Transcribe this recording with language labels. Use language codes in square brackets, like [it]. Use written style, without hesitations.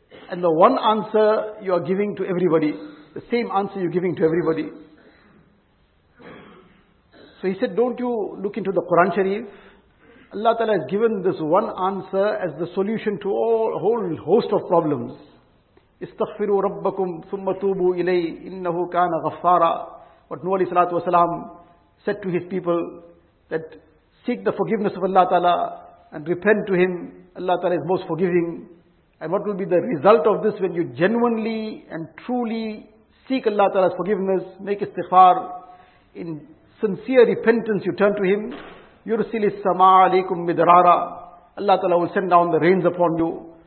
[en] And the one answer you are giving to everybody, the same answer you are giving to everybody. So he said, don't you look into the Quran Sharif? Allah Ta'ala has given this one answer as the solution to all a whole host of problems. [ar] استغفروا ربكم ثم توبوا إليه إنه كان غفارا. [en] What Nuh alayhi salatu wasalam said to his people, that seek the forgiveness of Allah Ta'ala and repent to him, Allah Ta'ala is most forgiving. And what will be the result of this when you genuinely and truly seek Allah Ta'ala's forgiveness, make istighfar, in sincere repentance you turn to him, [ar] يُرْسِلِ السَّمَاءَ عَلَيْكُمْ مِدْرَارًا, [en] Allah Ta'ala will send down the rains upon you.